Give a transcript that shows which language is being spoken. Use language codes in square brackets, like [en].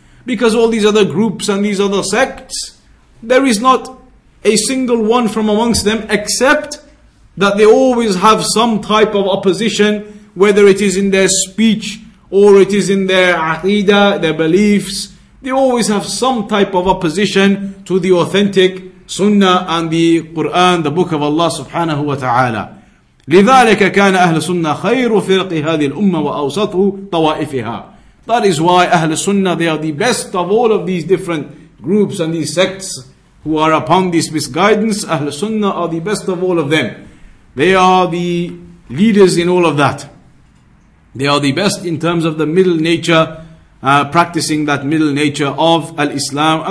[en] Because all these other groups and these other sects, there is not a single one from amongst them except that they always have some type of opposition, whether it is in their speech or it is in their aqidah, their beliefs. They always have some type of opposition to the authentic sunnah and the Qur'an, the book of Allah subhanahu wa ta'ala. [ar] لذلك كان أهل السنة خير فرق هذه الأمة وأوسطه طوائفها. [en] That is why أهل السنة, they are the best of all of these different groups and these sects who are upon this misguidance. أهل السنة are the best of all of them. They are the leaders in all of that. They are the best in terms of the middle nature, practicing that middle nature of Al-Islam.